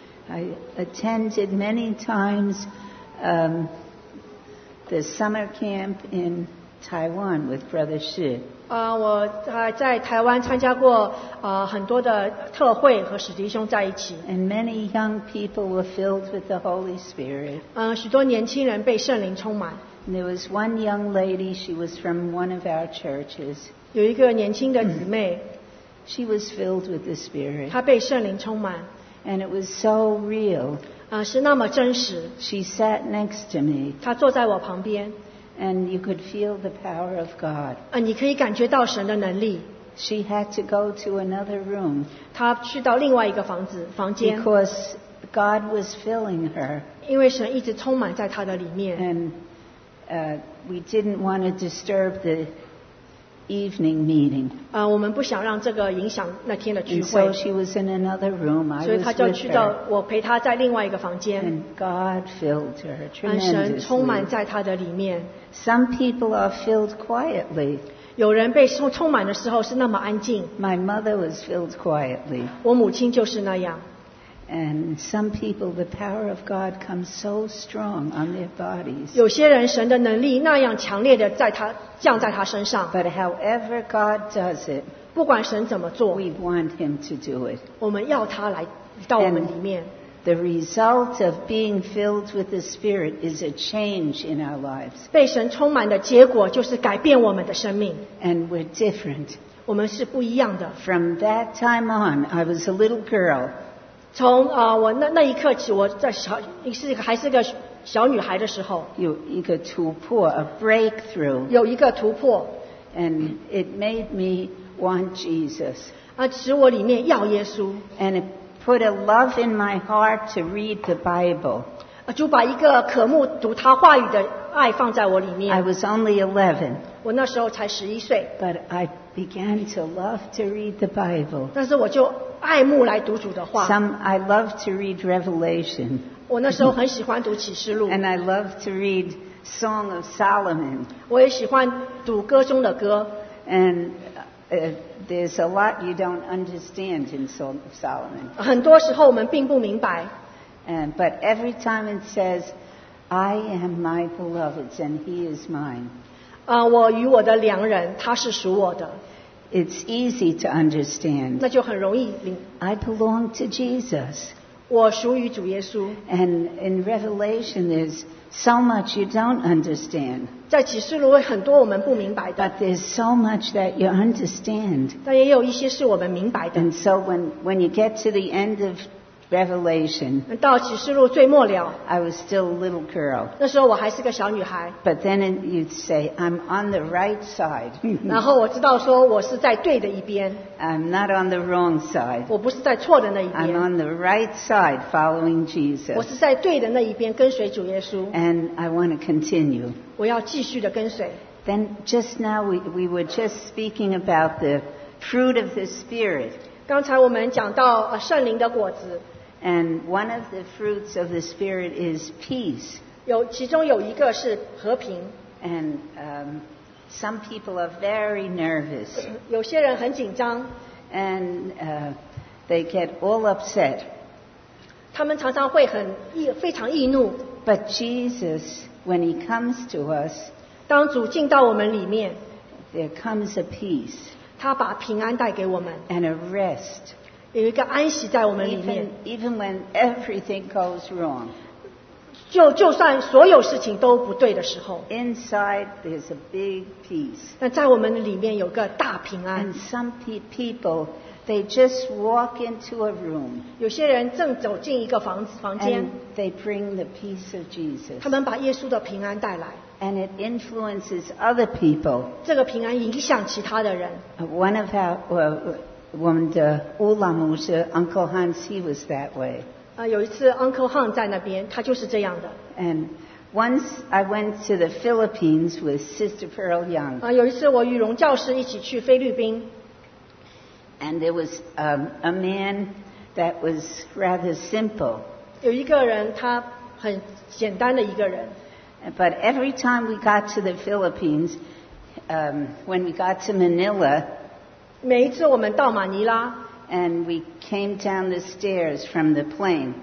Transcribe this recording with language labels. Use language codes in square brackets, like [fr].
[en] I attended many times the summer camp in Taiwan with Brother Shi. [zh] 我在台湾参加过很多的特会和史迪兄在一起。 [en] And many young people were filled with the Holy Spirit. [zh] 许多年轻人被圣灵充满。 [en] And there was one young lady, she was from one of our churches. [zh] 有一个年轻的姊妹。 [en] She was filled with the Spirit. [zh] 她被圣灵充满。 [en] And it was so real. [zh] 是那么真实。 [en] She sat next to me. [zh] 她坐在我旁边。 [en] And you could feel the power of God. [zh] 你可以感觉到神的能力。 [en] She had to go to another room. [zh] 她去到另外一个房间。 [en] Because God was filling her. [zh] 因为神一直充满在她的里面。 [en] And we didn't want to disturb the evening meeting. [zh] 我们不想让这个影响那天的聚会。 [en] And so she was in another room. I was with her. [zh] 所以她就去到我陪她在另外一个房间。 [en] And God filled her tremendously. [zh] 神充满在她的里面。 [en] Some people are filled quietly. [zh] 有人被充满的时候是那么安静。 [en] My mother was filled quietly. [zh] 我母亲就是那样。 [en] And some people, the power of God comes so strong on their bodies. [zh] 有些人神的能力那样强烈的降在他身上。 [en] But however God does it, [zh] 不管神怎么做 [en] we want him to do it. [zh] 我们要他来到我们里面。 [en] The result of being filled with the Spirit is a change in our lives. [zh] 被神充满的结果就是改变我们的生命。 [en] And we're different. [zh] 我们是不一样的。 [en] From that time on, I was a little girl. [zh] 从我那一刻起，我在还是个小女孩的时候，有一个突破 ， [en] a breakthrough. [zh] 有一个突破。 [en] And it made me want Jesus. [zh] 使我里面要耶稣。 [en] And it put a love in my heart to read the Bible. [zh] 主把一个渴慕读他话语的爱放在我里面。 [en] I was only 11. [zh] 我那时候才11岁。 [en] But I began to love to read the Bible. [zh] 但是我就爱慕来读主的话。 [en] I love to read Revelation. [zh] 我那时候很喜欢读启示录。 [en] And I love to read Song of Solomon. [zh] 我也喜欢读歌中的歌。 [en] And there's a lot you don't understand in Song of Solomon. [zh] 很多时候我们并不明白。 [en] But every time it says, I am my beloved's and he is mine. [zh] 我与我的良人，他是属我的。 [en] It's easy to understand. [zh] 那就很容易。 [en] I belong to Jesus. [zh] 我属于主耶稣。 [en] And in Revelation there's so much you don't understand. [zh] 在启示录很多我们不明白的。 [en] But there's so much that you understand. [zh] 但也有一些是我们明白的。 [en] And so when you get to the end of Revelation. [zh] 到启示录最末了。 [en] I was still a little girl. [zh] 那时候我还是个小女孩。 [en] But then you'd say, I'm on the right side. [zh] 然后我知道说我是在对的一边。 [en] I'm not on the wrong side. [zh] 我不是在错的那一边。 [en] I'm on the right side following Jesus. [zh] 我是在对的那一边跟随主耶稣。 [en] And I want to continue. [zh] 我要继续的跟随。 [en] Then just now we were just speaking about the fruit of the Spirit. [zh] 刚才我们讲到圣灵的果子。 [en] And one of the fruits of the Spirit is peace. [zh] 有其中有一个是和平。 [en] And some people are very nervous. [zh] 有些人很紧张。 [en] And they get all upset. [zh] 他们常常会很非常易怒。 [en] But Jesus, when he comes to us, [zh] 当主进到我们里面， [en] there comes a peace. [zh] 他把平安带给我们。 [en] And a rest. [zh] 有一个安息在我们里面。 [en] Even when everything goes wrong, [zh] 就算所有事情都不对的时候， [en] inside there's a big peace. [zh] 但在我们里面有个大平安。 [en] And some people they just walk into a room. [zh] 有些人正走进一个房间。 [en] And they bring the peace of Jesus. [zh] 他们把耶稣的平安带来。 [en] And it influences other people. [zh] 这个平安影响其他的人。 [en] One of our woman the Ulamusa, Uncle Hans, he was that way. [zh] 有一次 Uncle Hans 在那边，他就是这样的。 [en] And once I went to the Philippines with Sister Pearl Young. [zh] 有一次我与荣教师一起去菲律宾。 [en] And there was a man that was rather simple. [zh] 有一个人，他很简单的一个人。 [en] But every time we got to the Philippines, when we got to Manila. [zh] 每一次我们到马尼拉 [en] and we came down the stairs from the plane.